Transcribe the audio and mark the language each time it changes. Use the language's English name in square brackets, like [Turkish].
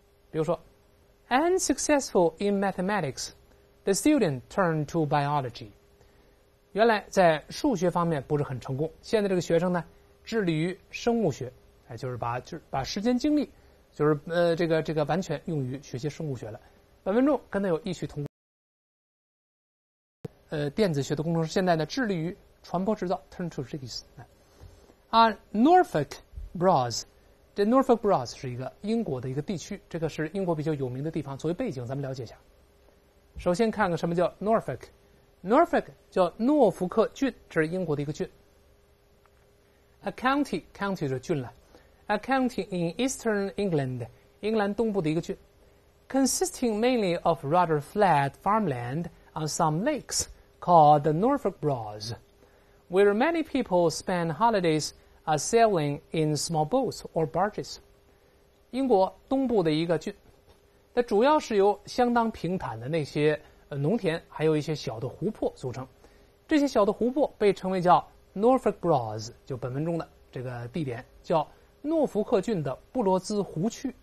[Chinese] 比如说 [English] unsuccessful in mathematics， the student turned to biology， [Chinese] 原来在数学方面不是很成功，现在这个学生呢致力于生物学，就是把时间精力就是这个完全用于学习生物学了。本文中跟他有异曲同工，电子学的工程师现在呢致力于传播制造， turn to 这个意思。 [English] Norfolk Broads， [Chinese] 这 Norfolk Broads 是一个英国的一个地区，这个是英国比较有名的地方，作为背景咱们了解一下。首先看看什么叫 Norfolk， Norfolk 叫诺福克郡，这是英国的一个郡。 A county， county 是郡了， [English] A county in eastern England， [Chinese] 英格兰东部的一个郡。 [English] Consisting mainly of rather flat farmland on some lakes called the Norfolk Broads， where many people spend holidaysSailing in small boats or barges， [Chinese] 英国东部的一个郡，它主要是由相当平坦的那些农田，还有一些小的湖泊组成。这些小的湖泊被称为叫 Norfolk Broads， 就本文中的这个地点叫诺福克郡的布罗兹湖区。